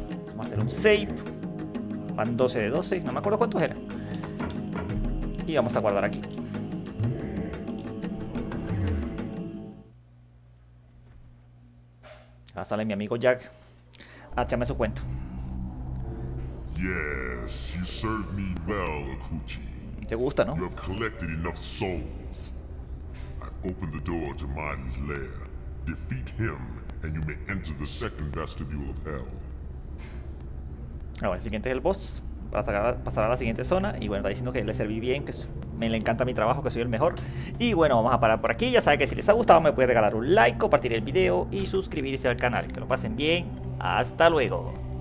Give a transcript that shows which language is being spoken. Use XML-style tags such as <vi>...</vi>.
<es>Vamos a hacer un save. Van 12 de 12, no me acuerdo cuántos eran. Y vamos a guardar aquí. Ahora sale mi amigo Jack. Échame su cuento.</es> <en>Yes, you served me well, Akuchi.</en> <es>Te gusta, ¿no?</es> <en>You have collected enough souls. I've opened the door to Mahdi's lair. Defeat him, and you may enter the second vestibule of hell.</en> <es>Ahora, el siguiente es el boss. Para pasar a la siguiente zona. Y bueno, está diciendo que le serví bien, que me le encanta mi trabajo, que soy el mejor. Y bueno, vamos a parar por aquí. Ya saben que si les ha gustado, me puede regalar un like, compartir el video y suscribirse al canal. Que lo pasen bien. Hasta luego.</es>